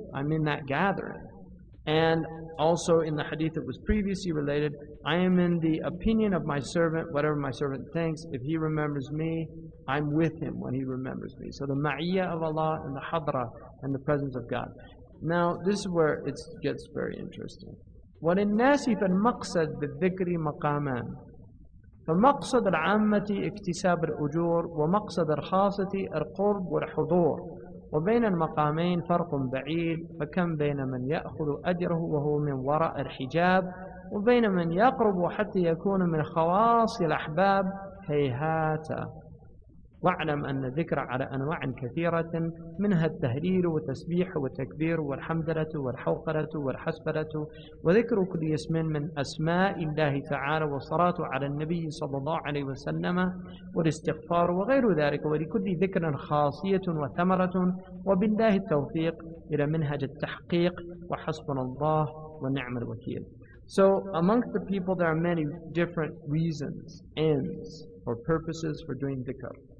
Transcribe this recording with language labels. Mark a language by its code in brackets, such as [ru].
[en] I'm in that gathering. And also in the hadith that was previously related, I am in the opinion of my servant, whatever my servant thinks. If he remembers me, I'm with him when he remembers me. So the ma'iyah of Allah and the hadra and the presence of God. Now, this is where it gets very interesting. [ar] وَلِنْ نَاسِفَ الْمَقْصَدْ بِالذِّكْرِ مَقَامًا فمقصد العامة اكتساب الأجور ومقصد الخاصة القرب والحضور وبين المقامين فرق بعيد فكم بين من يأخذ أجره وهو من وراء الحجاب وبين من يقرب حتى يكون من خواص الأحباب هيهاتا. واعلم أن ذكر على أنواع كثيرة منها التهليل والتسبيح والتكبير والحمدلة والحوقلة والحسبلة وذكر كل اسم من أسماء الله تعالى والصلاة على النبي صلى الله عليه وسلم والاستغفار وغير ذلك ولكل ذكر خاصية وثمرة وبالله التوفيق إلى منهج التحقيق وحسبنا الله ونعم الوكيل. [en] So amongst the people there are many different reasons, ends, or purposes for doing dhikr.